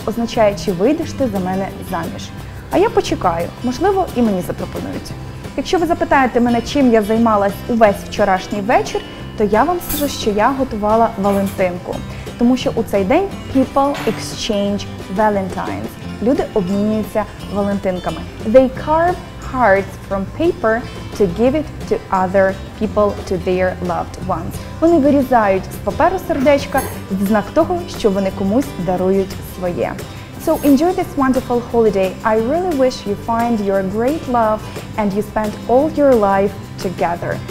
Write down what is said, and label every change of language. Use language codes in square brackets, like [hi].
[uk] означає «Чи вийдеш ти за мене заміж?». А я почекаю, можливо, і мені запропонують. Якщо ви запитаєте мене, чим я займалась увесь вчорашній вечір, то я вам скажу, що я готувала валентинку. Тому що у цей день [en] people exchange valentines. [uk] Люди обмінюються валентинками. [en] They carve hearts from paper to give it to other people, to their loved ones. [uk] Вони вирізають з паперу сердечка в знак того, що вони комусь дарують своє. [en] So enjoy this wonderful holiday. I really wish you find your great love and you spend all your life together.